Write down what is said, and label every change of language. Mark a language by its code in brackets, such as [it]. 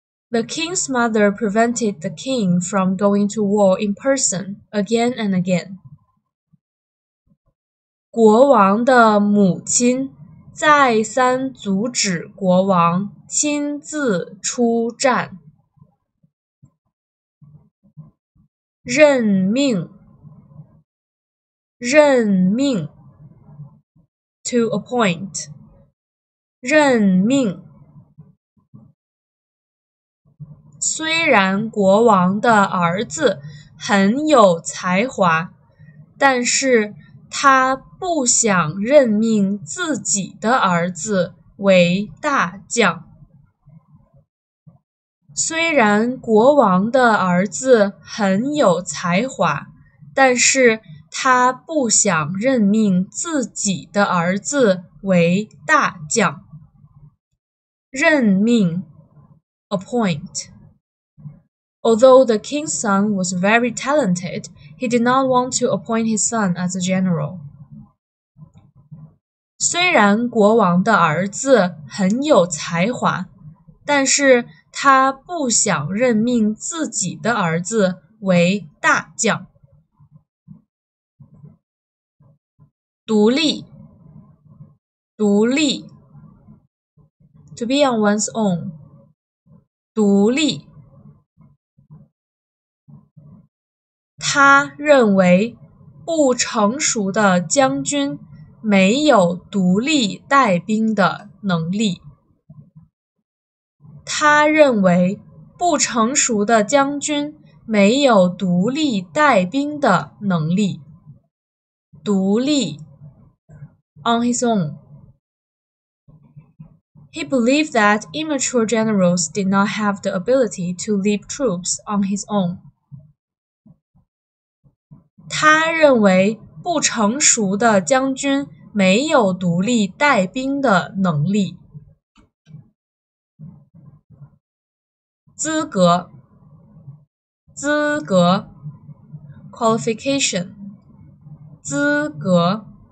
[en] The king's mother prevented the king from going to war in person again and again. [zh] 国王的母亲再三阻止国王亲自出战。任命。任命 [en] to appoint [zh] 任命虽然国王的儿子很有才华但是他不想任命自己的儿子为大将虽然国王的儿子很有才华但是他不想任命自己的儿子为大将。任命 appoint. [en] Although the king's son was very talented, he did not want to appoint his son as a general. [zh] 虽然国王的儿子很有才华，但是他不想任命自己的儿子为大将。独立，独立 [en] ，to be on one's own， 独立。 [zh] 他认为不成熟的将军没有独立带兵的能力。他认为不成熟的将军没有独立带兵的能力。独立。 [en] On his own. He believed that immature generals did not have the ability to lead troops on his own. [zh] 他认为不成熟的将军没有独立带兵的能力。资格，资格 ，qualification， 资格。